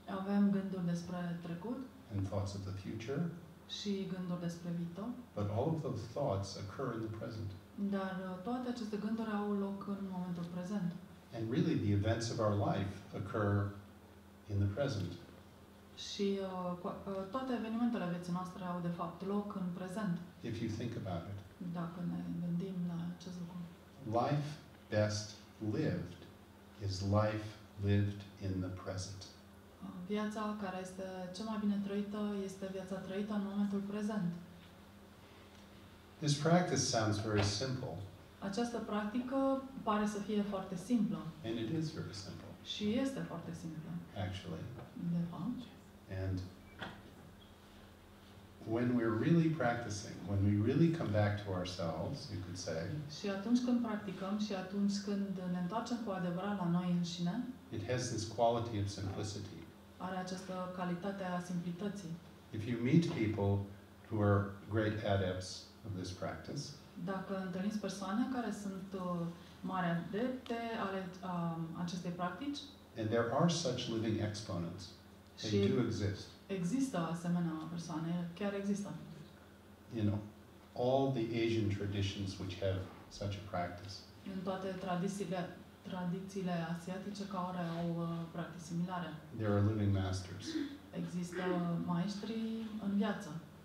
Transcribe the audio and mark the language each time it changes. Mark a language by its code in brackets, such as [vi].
[ro] Avem gânduri despre trecut. [en] And thoughts of the future. [ro] Și gânduri despre viitor. [en] But all of those thoughts occur in the present. [ro] Dar toate aceste gânduri au loc în momentul prezent. [en] And really the events of our life occur in the present. [ro] Și toate evenimentele vieții noastre au de fapt loc în prezent. [en] If you think about it. [ro] Dacă ne gândim la acest lucru. [en] Life best lived is life lived in the present. [ro] Viața care este cea mai bine trăită este viața trăită în momentul prezent. [en] This practice sounds very simple. [ro] Această practică pare să fie foarte simplă. [en] And it is very simple. [ro] Și este foarte simplă. [en] Actually. [ro] De fapt. [en] And when we're really practicing, when we really come back to ourselves, you could say. [ro] Și atunci când practicăm și atunci când ne întoarcem cu adevărat la noi înșine. [en] It has this quality of simplicity. [ro] Are această calitate a simplității. [en] If you meet people who are great adepts of this practice. [ro] Dacă întâlniți persoane care sunt mari adepte ale acestei practici. [en] And there are such living exponents. They do exist. [ro] Există asemenea persoane, chiar există. [en] You know, all the Asian traditions which have such a practice. [ro] În toate tradițiile asiatice care au practici similare. [en] There are living masters. [ro] Există maestri în viață.